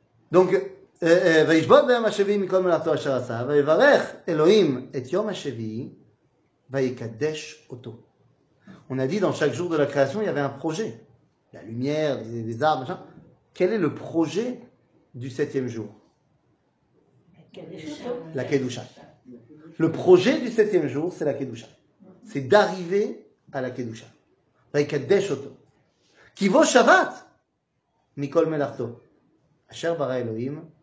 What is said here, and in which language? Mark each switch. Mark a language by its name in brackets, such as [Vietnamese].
[Hebrew] Donc וישבות ביום השביעי מכל מלאכתו אשר עשה, ויברך אלוהים את יום השביעי, ויקדש אותו. [French] On a dit dans chaque jour de la création, il y avait un projet. La lumière, les arbres, machin. Quel est le projet du septième jour? La Kedusha. Le projet du septième jour, c'est la Kedusha. C'est d'arriver à la Kedusha. [Hebrew] ויקדש אותו. כי בו שבת מכל מלאכתו אשר ברא אלוהים.